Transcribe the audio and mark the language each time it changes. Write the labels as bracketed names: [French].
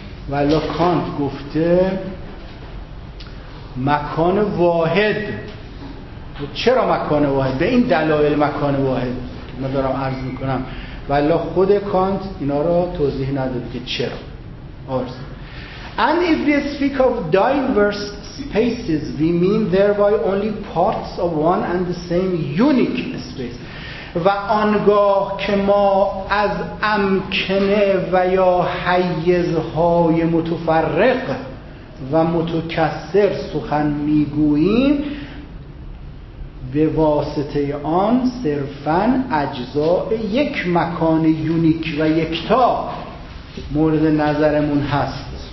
[Persian] ولی کانت گفته مکان واحد، چرا مکان واحد؟ به این دلایل مکان واحد من دارم عرض میکنم، ولی خود کانت اینا را توضیح نداد که چرا. عرض. [English] And if we speak of diverse spaces, we mean thereby only parts of one and the same unique space. [Persian] و آنگاه که ما از امکنه و یا حیزهای متفرق و متکثر سخن میگوییم، به واسطه آن صرفاً اجزاء یک مکان یونیک و یکتا مورد نظرمون هست.